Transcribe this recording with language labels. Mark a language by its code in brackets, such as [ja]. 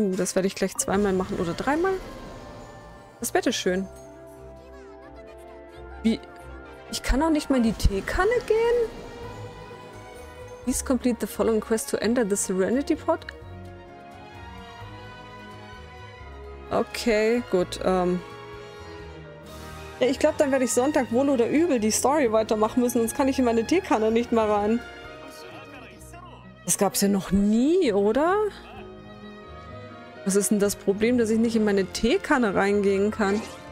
[de] Das werde ich gleich zweimal machen oder dreimal. Das Bett ist schön. Wie? Ich kann auch nicht mal in die Teekanne gehen? [en] Please complete the following quest to enter the Serenity Pod. [de] Okay, gut. Ja, ich glaube, dann werde ich Sonntag wohl oder übel die Story weitermachen müssen, sonst kann ich in meine Teekanne nicht mehr rein. Das gab es ja noch nie, oder? Was ist denn das Problem, dass ich nicht in meine Teekanne reingehen kann?